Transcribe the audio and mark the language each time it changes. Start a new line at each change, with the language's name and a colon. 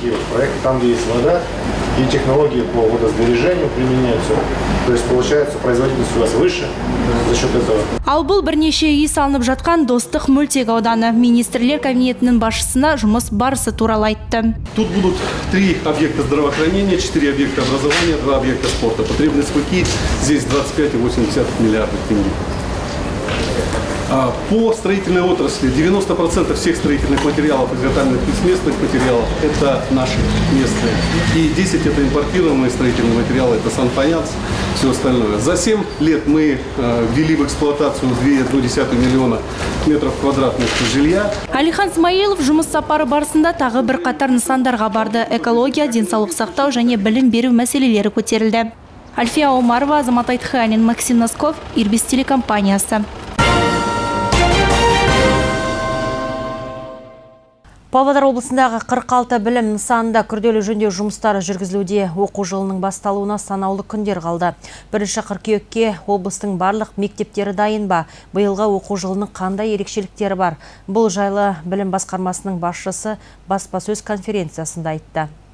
Russian: Проекты там, где есть вода, и технологии по водосбережению применяются. То есть получается производительность у вас выше за счет этого.
Kazakh: Ал бұл бірнеше үй салынып жатқан Достық мөлтек ауданы. Министрлер кабинетінің басшысына жұмыс барысы туралы айтты.
Russian: Тут будут 3 объекта здравоохранения, 4 объекта образования, 2 объекта спорта. Потребность пути здесь 25,8 миллиарда тенге. По строительной отрасли 90% всех строительных материалов, изготовленных из местных материалов, это наши местные. И 10% это импортированные строительные материалы, это санфаянс, все остальное. За 7 лет мы ввели в эксплуатацию 2,2 миллиона метров квадратных жилья.
Kazakh: Алихан Смаилов жұмыс сапары барысында тағы бір қатар нысандарға барды. Экология, денсаулық сақтау және білім беру мәселелері көтерілді. Альфия Омарова, Азамат Айтханин, Максим Носков, ЮБИС телекомпаниясы. Павлодар облысындағы 46 білім нысанында күрделі жөндеу жұмыстары жүргізілуде. Оқу жылының басталуына санаулы күндер қалды. 1-ші қыркүйекке облыстың барлық мектептері дайын ба? Биылғы оқу жылының қандай ерекшеліктері бар? Бұл жайлы білім басқармасының басшысы баспасөз конференциясында айтты.